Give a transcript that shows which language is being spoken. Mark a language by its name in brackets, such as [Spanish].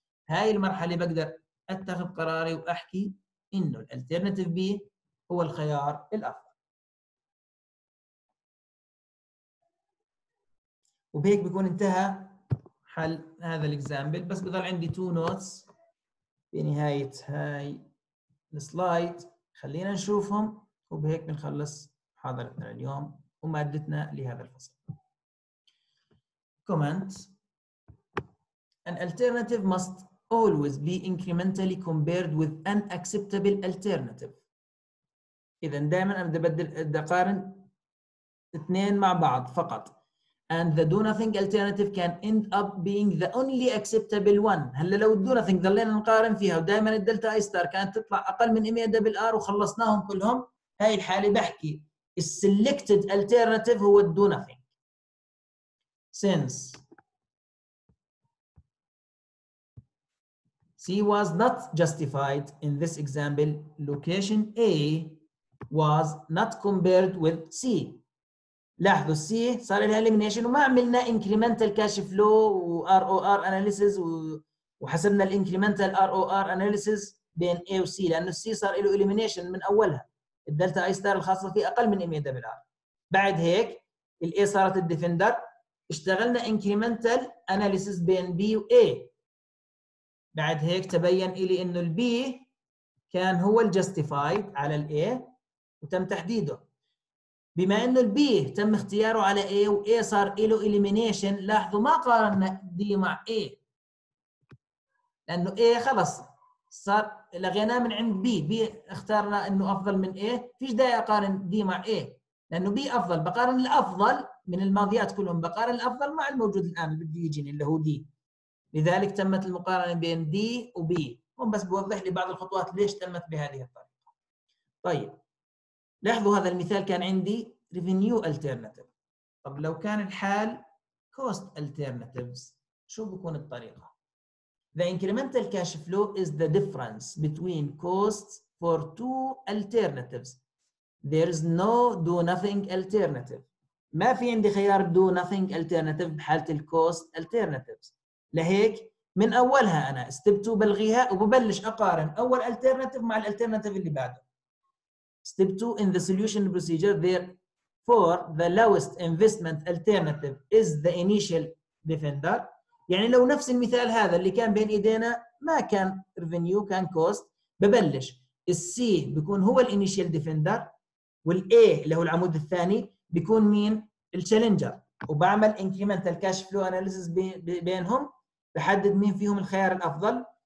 [Arabic] هاي المرحله بقدر اتخذ قراري واحكي انه الالترناتيف بي هو الخيار الافضل وبهيك بيكون انتهى حل هذا الاكزامبل. بس بضل عندي تو نوتس بنهايه هاي السلايد خلينا نشوفهم وبهيك بنخلص محاضرتنا اليوم ومادتنا لهذا الفصل. [English] Comment ان الالترناتيف must always be incrementally compared with an acceptable alternative. [Arabic] إذا دائما أنا بدي أقارن اثنين مع بعض فقط. [English] And the do nothing alternative can end up being the only acceptable one. [Arabic] هلا لو do nothing ضلينا نقارن فيها ودائما الدلتا اي ستار كانت تطلع أقل من 100 دبل ار وخلصناهم كلهم هاي الحالة بحكي ال selected alternative هو do nothing. Since [English] C was not justified in this example. Location A was not compared with C. [Arabic] لاحظوا C صار لها elimination وما عملنا incremental cash flow و ROR analysis وحسبنا ال incremental ROR analysis بين A و C لأنه C صار له elimination من أولها. الدلتا I star الخاصة فيه أقل من MAWR. بعد هيك ال A صارت ال defender. اشتغلنا incremental analysis بين B و A. بعد هيك تبين إلي إنه ال B كان هو ال justified على ال A وتم تحديده. بما انه ال B تم اختياره على A و A صار له elimination، لاحظوا ما قارنا D مع A لانه A خلص صار لغيناه من عند B. B اختارنا انه افضل من A، فيش داعي اقارن D مع A لانه B افضل. بقارن الافضل من الماضيات كلهم، بقارن الافضل مع الموجود الان بده يجيني اللي هو D. لذلك تمت المقارنه بين D و B. هون بس بوضح لي بعض الخطوات ليش تمت بهذه الطريقه. طيب لاحظوا هذا المثال كان عندي ريفينيو الترناتيف. طب لو كان الحال كوست الترناتيفز شو بكون الطريقه؟ [English] The incremental cash flow is the difference between costs for two alternatives. There is no do nothing alternative. [Arabic] ما في عندي خيار do nothing alternative بحاله الكوست alternatives. لهيك من اولها انا step 2 بلغيها وببلش اقارن اول alternative مع الالترناتيف اللي بعده. [English] Step 2 in the solution procedure, therefore the lowest investment alternative is the initial defender. [Arabic] يعني لو نفس المثال هذا اللي كان بين ايدينا ما كان ريفينيو كان كوست، ببلش السي بيكون هو الانيشال ديفندر والاي اللي هو العمود الثاني بيكون مين؟ التشالنجر، وبعمل انكريمنتال كاش فلو اناليسيس بينهم بحدد مين فيهم الخيار الافضل.